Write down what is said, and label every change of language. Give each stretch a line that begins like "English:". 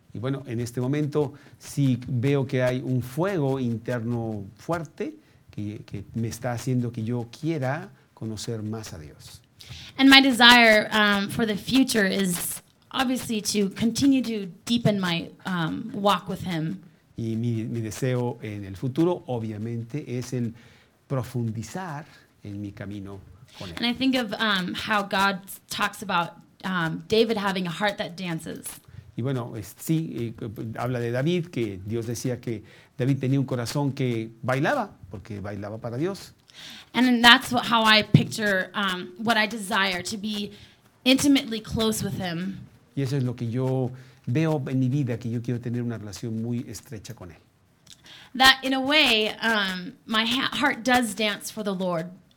Spanish: Y bueno, en este momento sí veo que hay un fuego interno fuerte que me está haciendo que yo quiera conocer más a Dios.
English: And my desire for the future is obviously to continue to deepen my walk with him.
Spanish: Y mi deseo en el futuro obviamente es el profundizar en mi camino con él.
English: And I think of how God talks about David having a heart that dances.
Spanish: Y bueno, sí, habla de David, que Dios decía que David tenía un corazón que bailaba, porque bailaba para Dios.
English: And that's how I picture what I desire, to be intimately close with him.
Spanish: Y eso es lo que yo veo en mi vida, que yo quiero tener una relación muy estrecha con él.
English: That in a way, my heart does dance for the Lord.